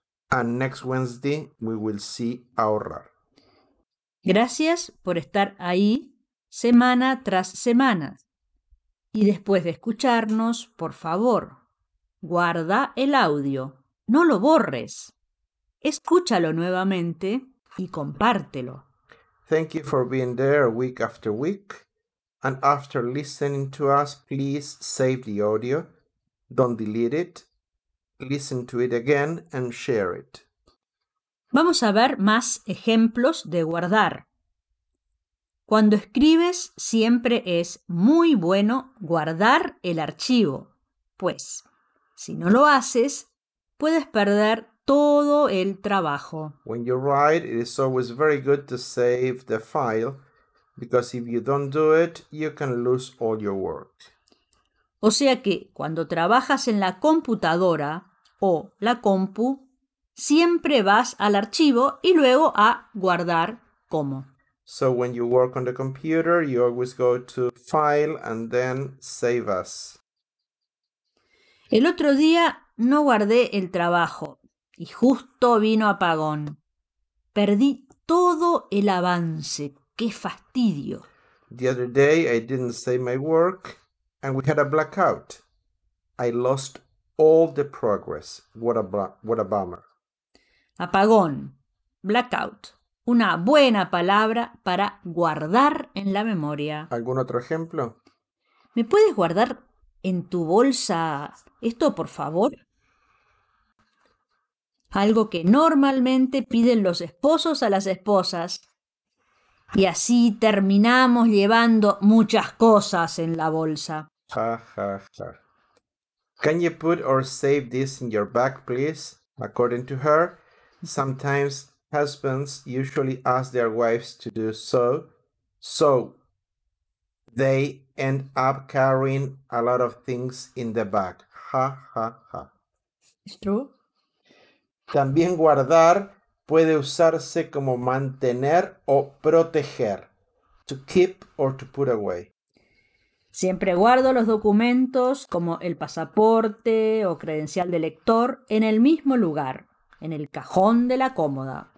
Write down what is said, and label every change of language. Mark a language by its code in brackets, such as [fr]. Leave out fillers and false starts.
[en] And next Wednesday we will see ahorrar. [es] Gracias por estar ahí semana tras semana. Y después de escucharnos, por favor, guarda el audio, no lo borres. Escúchalo nuevamente y compártelo. [en] Thank you for being there week after week. And after listening to us, please save the audio. Don't delete it. Listen to it again and share it. [es] Vamos a ver más ejemplos de guardar. Cuando escribes, siempre es muy bueno guardar el archivo, pues si no lo haces, puedes perder todo el trabajo. [en] When you write, it is always very good to save the file, because if you don't do it, you can lose all your work. [es] O sea que cuando trabajas en la computadora o la compu, siempre vas al archivo y luego a guardar como. [en] So when you work on the computer, you always go to file and then save as. [es] El otro día no guardé el trabajo y justo vino apagón. Perdí todo el avance. ¡Qué fastidio! [en] The other day I didn't save my work and we had a blackout. I lost all the progress. What a bummer. [es] Apagón. Blackout. Una buena palabra para guardar en la memoria. ¿Algún otro ejemplo? ¿Me puedes guardar en tu bolsa esto, por favor? Algo que normalmente piden los esposos a las esposas. Y así terminamos llevando muchas cosas en la bolsa. Ja, ja, ja. [en] Can you put or save this in your bag, please? According to her, sometimes husbands usually ask their wives to do so, so they end up carrying a lot of things in the bag. Ha, ha, ha. It's true. [es] También guardar puede usarse como mantener o proteger, [en] to keep or to put away. [es] Siempre guardo los documentos como el pasaporte o credencial de lector en el mismo lugar, en el cajón de la cómoda.